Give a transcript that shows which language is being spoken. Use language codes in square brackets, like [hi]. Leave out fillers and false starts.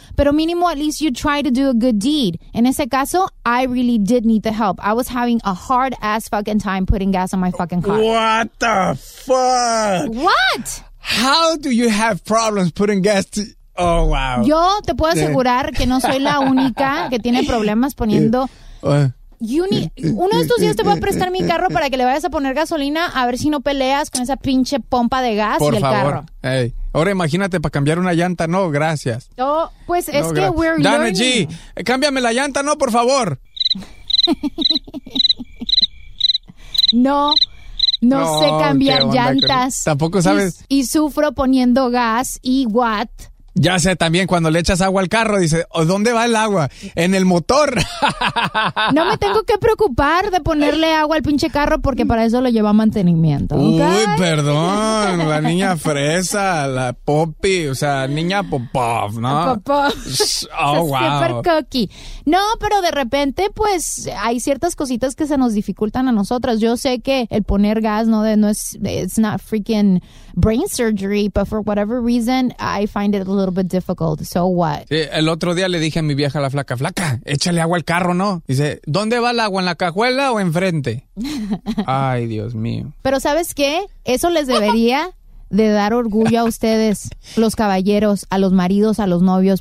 [es] Pero mínimo, [en] at least you try to do a good deed. [es] En ese caso, [en] I really did need the help. I was having a hard-ass fucking time putting gas on my fucking car. What the fuck? What? How do you have problems putting gas to... Oh, wow. [es] Yo te puedo asegurar que no soy la única que tiene problemas poniendo... Uno de estos días te voy a prestar mi carro para que le vayas a poner gasolina a ver si no peleas con esa pinche pompa de gas Por y el favor. Carro. [en] Hey. [es] Ahora imagínate para cambiar una llanta. No, gracias. Oh, pues es no, que gracias. [en] We're Dana learning. [es] G, cámbiame la llanta, no, por favor. No, no, no sé cambiar llantas. Tampoco sabes. Y sufro poniendo gas y what. Ya sé, también cuando le echas agua al carro, dice, ¿dónde va el agua? En el motor. No me tengo que preocupar de ponerle agua al pinche carro porque para eso lo lleva a mantenimiento. ¿Okay? Uy, perdón, la niña fresa, la Poppy, o sea, niña Popov, ¿no? Popov. [en] Oh, wow. Super cookie. [es] No, pero de repente, pues, hay ciertas cositas que se nos dificultan a nosotras. Yo sé que el poner gas no es, [en] it's not freaking brain surgery, but for whatever reason, I find it a little bit difficult. So what? [es] Sí, el otro día le dije a mi vieja, la flaca, flaca, échale agua al carro, ¿no? Dice, ¿dónde va el agua? ¿En la cajuela o enfrente? Ay, Dios mío. Pero ¿sabes qué? Eso les debería de dar orgullo a ustedes, los caballeros, a los maridos, a los novios.